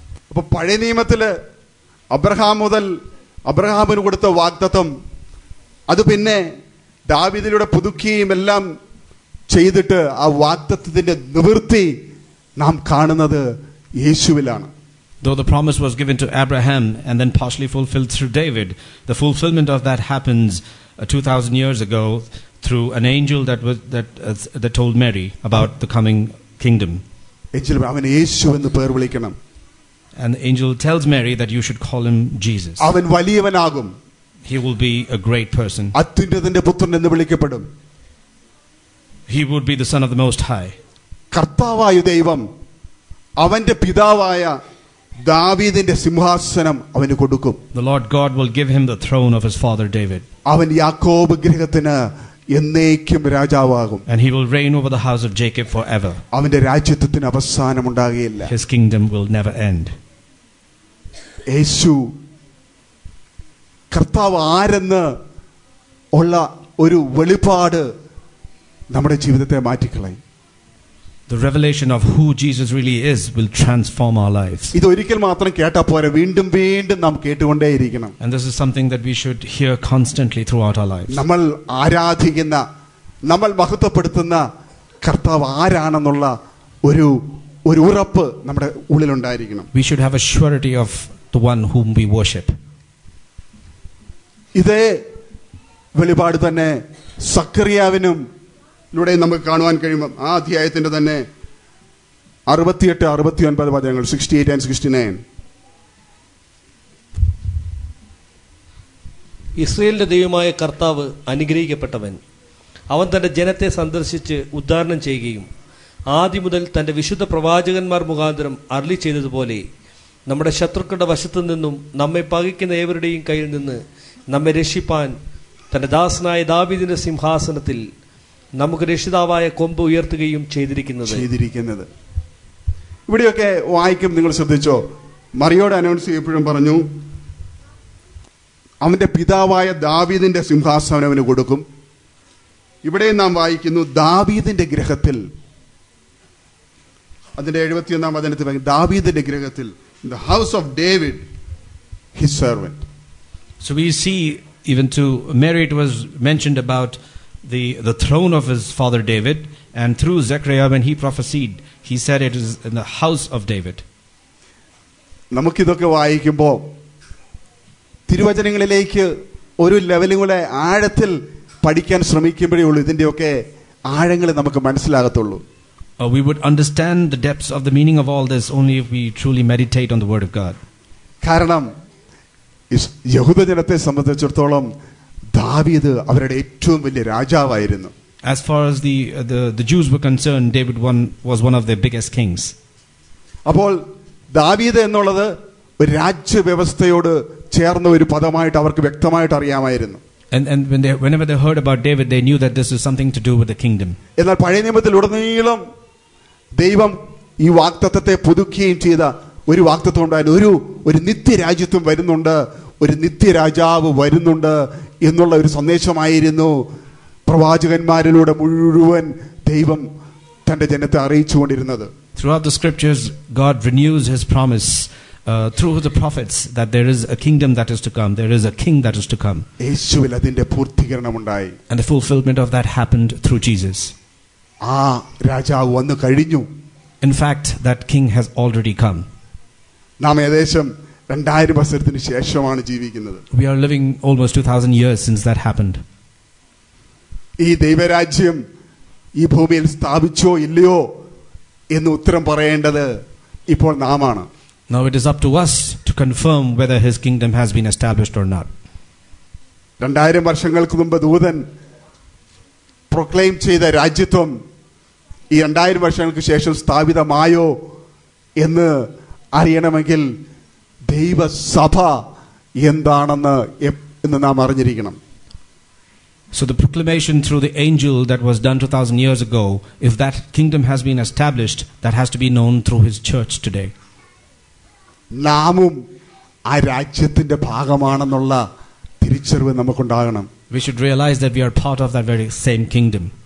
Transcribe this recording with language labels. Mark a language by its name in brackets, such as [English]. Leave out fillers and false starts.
[Malayalam] അപ്പൊ പഴയ നിയമത്തില് അബ്രഹാം മുതൽ അബ്രഹാമിന് കൊടുത്ത വാഗ്ദത്തം അത് പിന്നെ ദാവീദിലൂടെ പുതുക്കുകയും എല്ലാം ചെയ്തിട്ട് ആ വാഗ്ദത്തത്തിന്റെ നിവൃത്തി നാം കാണുന്നത് യേശുവിലാണ്. [English] Though the promise was given to Abraham and then partially fulfilled through David, the fulfillment of that happens 2000 years ago through an angel that told Mary about the coming kingdom. [Malayalam] Angel avan yesu ennu per vilikkanam. [English] And the angel tells Mary that you should call him Jesus. [Malayalam] Avan valiyavanagum. [English] He will be a great person. [Malayalam] Athinte thende putran ennu vilikkapadum. [English] He would be the son of the most high. [Malayalam] കർത്താവായ ദൈവം അവന്റെ പിതാവായ ദാവീദിന്റെ സിംഹാസനം അവന് കൊടുക്കും. [English] The Lord God will give him the throne of his father David. [Malayalam] അവൻ യാക്കോബ് ഗൃഹത്തിന് എന്നേക്കും രാജാവാകും. [English] And he will reign over the house of Jacob forever. [Malayalam] അവന്റെ രാജ്യത്തിന് അവസാനം ഉണ്ടാകില്ല. [English] His kingdom will never end. [Malayalam] യേശു കർത്താവ് ആരെന്ന് ഉള്ള ഒരു വെളിപാട് നമ്മുടെ ജീവിതത്തെ മാറ്റിക്കളയും. [English] The revelation of who Jesus really is will transform our lives. [Malayalam] ഇത് ഒരിക്കൽ മാത്രം കേട്ടാ പോരെ, വീണ്ടും വീണ്ടും നാം കേട്ടുകൊണ്ടേ ഇരിക്കണം. [English] And this is something that we should hear constantly throughout our lives. [Malayalam] നമ്മൾ ആരാധിക്കുന്ന, നമ്മൾ മഹത്വപ്പെടുത്തുന്ന കർത്താവ് ആരാണെന്നുള്ള ഒരു ഉറപ്പ് നമ്മുടെ ഉള്ളിൽ ഉണ്ടായിരിക്കണം. [English] We should have a surety of the one whom we worship. [Malayalam] ഇതേ വെളിപാട് തന്നെ സക്കറിയാവിനും ഇവിടെ നമുക്ക് കാണുവാൻ കഴിയുമ്പം ആ അധ്യായത്തിന്റെ തന്നെ 68-69 പദങ്ങൾ, [English] 68 and 69. [Malayalam] ഇസ്രായേലിന്റെ ദൈവമായ കർത്താവ് അനുഗ്രഹിക്കപ്പെട്ടവൻ, അവൻ തന്റെ ജനത്തെ സന്ദർശിച്ച് ഉദ്ധാരണം ചെയ്യുകയും ആദ്യം മുതൽ തന്റെ വിശുദ്ധ പ്രവാചകന്മാർ മുഖാന്തരം അരുളി ചെയ്തതുപോലെ നമ്മുടെ ശത്രുക്കളുടെ വശത്തു നിന്നും നമ്മെ പകയ്ക്കുന്ന ഏവരുടെയും കയ്യിൽ നിന്ന് നമ്മെ രക്ഷിപ്പാൻ തന്റെ ദാസനായ ദാവീദിന്റെ സിംഹാസനത്തിൽ നമുക്ക് രക്ഷിതാവായ കൊമ്പ് ഉയർത്തുകയും ചെയ്തിരിക്കുന്നത്. ഇവിടെയൊക്കെ വായിക്കും, നിങ്ങൾ ശ്രദ്ധിച്ചോ, മറിയോട് അനൗൺസ് ചെയ്യപ്പോഴും പറഞ്ഞു അവന്റെ പിതാവായ ദാവീദിന്റെ സിംഹാസനം അവന് കൊടുക്കും. ഇവിടെയും നാം വായിക്കുന്നു ദാവീദിന്റെ ഗ്രഹത്തിൽ, അതിന്റെ 71 വചനത്തിൽ ദാവീദിന്റെ ഗ്രഹത്തിൽ, [English] The house of David his servant. So we see even to Mary it was mentioned about the throne of his father David, and through Zechariah when he prophesied, he said it is in the house of David. [Malayalam] നമുക്ക് ഇതൊക്കെ വായിക്കുമ്പോൾ തിരുവചനങ്ങളിലേക്ക് ഒരു ലെവലും കൂടെ ആഴത്തിൽ പഠിക്കാൻ ശ്രമിക്കുമ്പോഴേ ഉള്ളൂ ഇതിന്റെയൊക്കെ ആഴങ്ങൾ നമുക്ക് മനസ്സിലാകത്തുള്ളൂ. [English] We would understand the depths of the meaning of all this only if we truly meditate on the word of God. [Malayalam] കാരണം യഹൂദജനത്തെ സംബന്ധിച്ചിടത്തോളം ദാവീദ് അവരുടെ ഏറ്റവും വലിയ രാജാവായിരുന്നു. [English] As far as the Jews were concerned, David was one of their biggest kings. [Malayalam] അപ്പോൾ ദാവീദ് എന്നുള്ളത് ഒരു രാജ്യവ്യവസ്ഥയോട് ചേർന്ന ഒരു പദമായിട്ട് അവർക്ക് വ്യക്തമായിട്ട് അറിയാമായിരുന്നു. [English] And whenever they heard about David, they knew that this is something to do with the kingdom. [Malayalam] എന്നാൽ പഴയ നിയമത്തിൽ ഉടനീളം ദൈവം ഈ വാഗ്ദത്തത്തെ പുതുക്കുകയും ചെയ്ത ഒരു വാഗ്ദത്തം ഉണ്ടായിരുന്നു, ഒരു നിത്യരാജ്യത്വം വരുന്നുണ്ട്, ഒരു നിത്യരാജാവ് വരുന്നുണ്ട് എന്നുള്ള ഒരു സന്ദേശമായിരുന്നു പ്രവാചകന്മാരിലൂടെ മുഴുവൻ ദൈവം തന്റെ ജനത്തെ അറിയിച്ചുകൊണ്ടിരുന്നത്. [English] Throughout the scriptures, God renews his promise through the prophets that there is a kingdom that is to come, there is a king that is to come. [Malayalam] യേശുവിൽ അതിന്റെ പൂർത്തീകരണം ഉണ്ടായി. [English] And the fulfillment of that happened through Jesus. [Malayalam] ആ രാജാവ് വന്നു കഴിഞ്ഞു. [English] In fact, that king has already come. [Malayalam] നാം ഏകദേശം 2000 വർഷത്തിന് ശേഷമാണ് ജീവിക്കുന്നത്. [English] We are living almost 2000 years since that happened. [Malayalam] ഈ ദൈവരാജ്യം ഈ ഭൂമിയിൽ സ്ഥാപിച്ചോ ഇല്ലയോ എന്ന് ഉത്തരം പറയേണ്ടത് ഇപ്പോൾ നാം ആണ്. [English] Now it is up to us to confirm whether his kingdom has been established or not. [Malayalam] 2000 വർഷങ്ങൾക്ക് മുമ്പ് ദൂതൻ പ്രൊക്ലെയിം ചെയ്ത രാജ്യത്വം ഈ 2000 വർഷങ്ങൾക്ക് ശേഷം സ്ഥാപിതമായോ എന്ന് അറിയണമെങ്കിൽ ദൈവസഭ എന്താണെന്ന് എന്ന് നാം അറിഞ്ഞിരിക്കണം. [English] So the proclamation through the angel that was done 2000 years ago, if that kingdom has been established, that has to be known through his church today. [Malayalam] നാമും ആ രാജ്യത്തിന്റെ ഭാഗമാണെന്നുള്ള തിരിച്ചറിവ് നമുക്കുണ്ടാകണം. [English] We should realize that we are part of that very same kingdom.